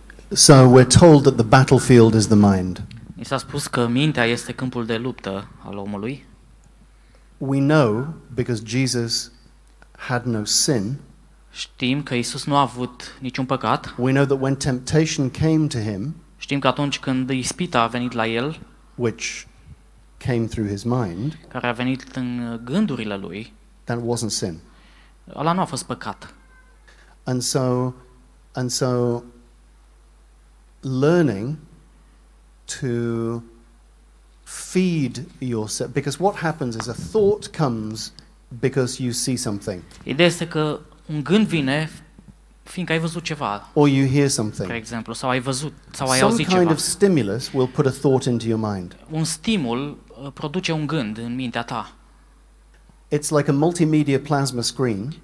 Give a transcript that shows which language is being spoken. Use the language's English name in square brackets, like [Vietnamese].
[English] So we're told that the battlefield is the mind. [Romanian] Ni s-a spus că mintea este câmpul de luptă al omului. [English] We know because Jesus had no sin. [Romanian] Știm că Isus nu a avut niciun păcat. [English] We know that when temptation came to him, [Romanian] știm că atunci când ispita a venit la el, [English] which came through his mind, [Romanian] care a venit în gândurile lui, [English] that wasn't sin. [Romanian] Ăla nu a fost păcat. [English] And so learning to feed yourself, because what happens is a thought comes because you see something. [Romanian] Ideea este că un gând vine fiindcă ai văzut ceva. [English] Or you hear something. [Romanian] Per exemplu, sau ai văzut, sau [English] some [Romanian] ai auzit ceva. [English] Some kind of stimulus will put a thought into your mind. [Romanian] Un stimul produce un gând în mintea ta. [English] It's like a multimedia plasma screen.